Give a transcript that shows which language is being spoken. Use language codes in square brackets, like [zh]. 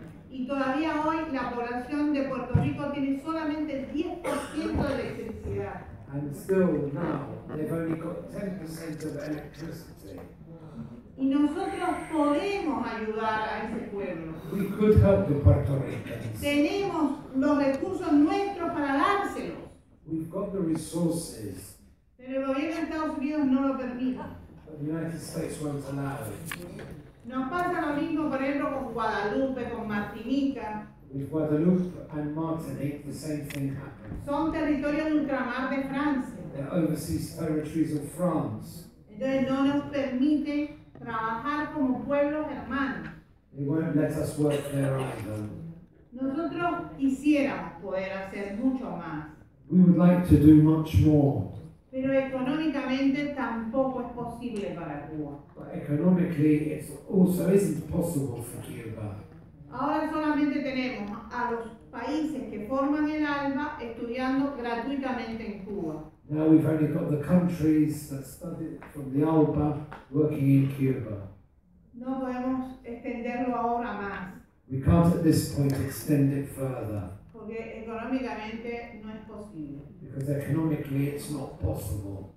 [es] Y todavía hoy la población de Puerto Rico tiene solamente 10% de electricidad. [en] And still now, they've only got 10% of electricity. [es] Y nosotros podemos ayudar a ese pueblo. [en] We could help the Puerto Ricans. [es] Tenemos los recursos nuestros para dárselos. [en] We've got the resources. [es] Pero el gobierno de Estados Unidos no lo permite. [en] The United States won't allow it. [es] Nos pasa lo mismo, por ejemplo, con Guadalupe, con Martinica. [en] With Guadalupe and Martinique, the same thing happened. [es] Son territorios de ultramar de Francia. [en] They're overseas territories of France. [es] Entonces no nos permite trabajar como pueblos hermanos. [en] They won't let us work there either. [es] Nosotros quisiéramos poder hacer mucho más. [en] We would like to do much more. [es] Pero económicamente tampoco es posible para Cuba. [en] But economically, it also isn't possible for Cuba. [es] Ahora solamente tenemos a los países que forman el ALBA estudiando gratuitamente en Cuba. [en] Now we've only got the countries that study from the ALBA working in Cuba. [es] No podemos extenderlo ahora más. [en] We can't at this point extend it further. [es] Porque económicamente no es posible. [en] Because economically it's not possible.